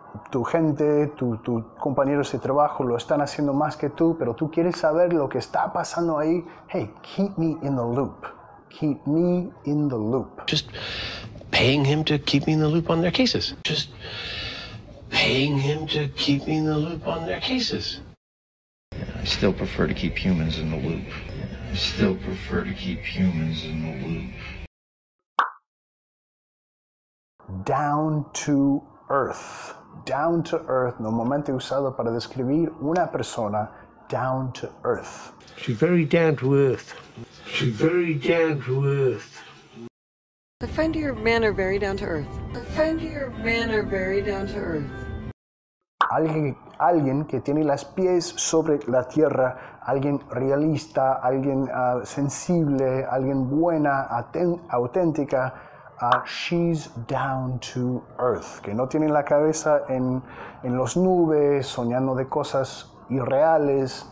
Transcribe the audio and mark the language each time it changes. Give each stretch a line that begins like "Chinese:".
Spanish: tu gente, tus compañeros de trabajo lo están haciendo más que tú, pero tú quieres saber lo que está pasando ahí.
English: Hey, keep me in the loop. Keep me in the loop. Just paying him to keep me in the loop on their cases. Just paying him to keep me in the loop on their cases. I still prefer to keep humans in the loop. I still prefer to keep humans in the loop. Down to earth. Down to earth,
Spanish: normalmente usado para describir una persona,
English: down to earth. She's very down to earth. She's very down to earth. The friend of your man are very down to earth. The friend of your man are very down to earth.
Spanish: Alguien que tiene los pies sobre la tierra, alguien realista, alguien sensible, alguien buena, auténtica.
English: She's down to earth,
Spanish: que no tiene la cabeza en los nubes, soñando de cosas irreales.